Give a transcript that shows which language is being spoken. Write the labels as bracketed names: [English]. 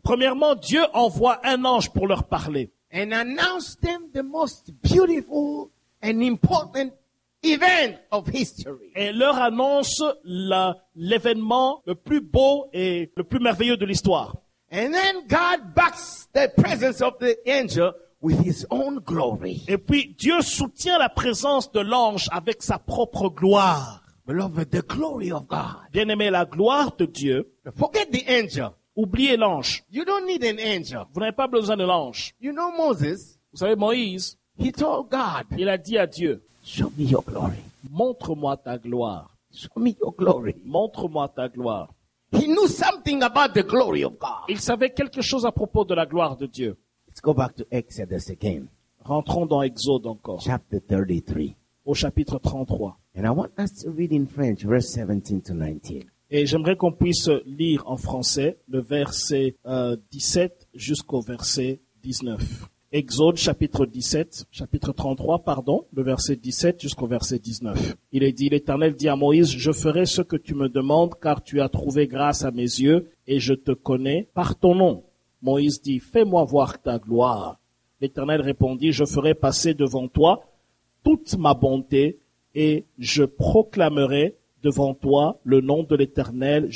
[French] Premièrement, Dieu envoie un ange pour leur parler. [English] And announce them the most beautiful and important event of history. [French] Et leur annonce l'événement le plus beau et le plus merveilleux de l'histoire. [English] And then God backs the presence of the angel with his own glory. [French] Et puis Dieu soutient la présence de l'ange avec sa propre gloire. [English] Beloved, the glory of God. [French] Bien-aimé, la gloire de Dieu. [English] Forget the angel. [French] Oubliez l'ange. [English] You don't need an angel. [French] Vous n'avez pas besoin de l'ange. [English] You know Moses. [French] Vous savez Moïse. [English] He told God. [French] Il a dit à Dieu. [English] Show me your glory. [French] Montre-moi ta gloire. [English] Show me your glory. [French] Montre-moi ta gloire. [English] He knew something about the glory of God. [French] Il savait quelque chose à propos de la gloire de Dieu. [English] Let's go back to Exodus again. [French] Rentrons dans Exode encore. [English] Chapter 33. [French] Au chapitre 33. [English] And I want us to read in French, verse 17 to 19. [French] Et j'aimerais qu'on puisse lire en français le verset 17 jusqu'au verset 19. Exode chapitre 17, chapitre 33, pardon, le verset 17 jusqu'au verset 19. Il est dit, l'Éternel dit à Moïse, « Je ferai ce que tu me demandes, car tu as trouvé grâce à mes yeux, et je te connais par ton nom. » Moïse dit, « Fais-moi voir ta gloire. » L'Éternel répondit, « Je ferai passer devant toi toute ma bonté, et je proclamerai devant toi le nom de l'Éternel.